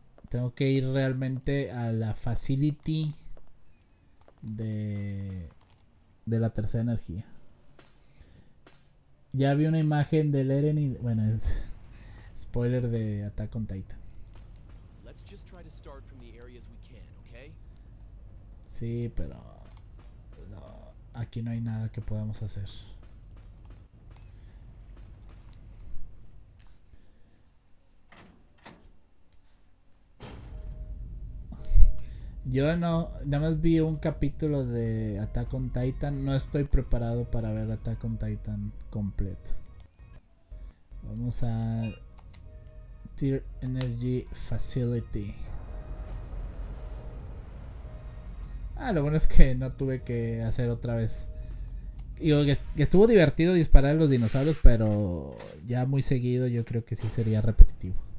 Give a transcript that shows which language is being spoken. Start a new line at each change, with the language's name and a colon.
Spanish: Tengo que ir realmente a la facility de la tercera energía. Ya vi una imagen del Eren y... Bueno, es spoiler de Attack on Titan.
English: Let's just try to start from the areas we can, okay?
Spanish: Sí, pero... No, aquí no hay nada que podamos hacer. Yo no, nada más vi un capítulo de Attack on Titan. No estoy preparado para ver Attack on Titan completo. Vamos a Tier Energy Facility. Ah, lo bueno es que no tuve que hacer otra vez. Digo, que estuvo divertido disparar a los dinosaurios, pero ya muy seguido yo creo que sí sería repetitivo.